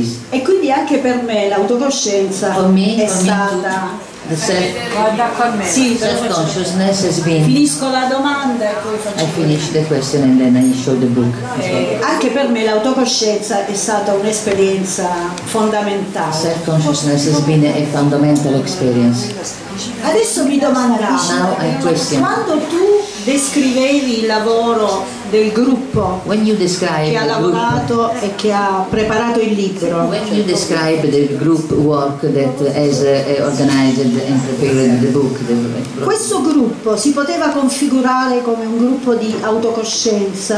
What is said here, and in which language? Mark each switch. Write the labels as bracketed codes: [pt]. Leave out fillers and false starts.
[it] E quindi anche per me l'autocoscienza è stata. [en] Self-consciousness has been. [it] Finisco la domanda e poi faccio. [en] I finish the question and then I show the book. [it] Anche per me l'autocoscienza è stata un'esperienza fondamentale. [en] Self-consciousness has been a fundamental experience. [it] Adesso mi domanderò, quando tu descrivevi il lavoro del gruppo che ha lavorato e che ha preparato il libro, [en] when you describe the group work that has organized and prepared the book, [it] questo gruppo si poteva configurare come un gruppo di autocoscienza?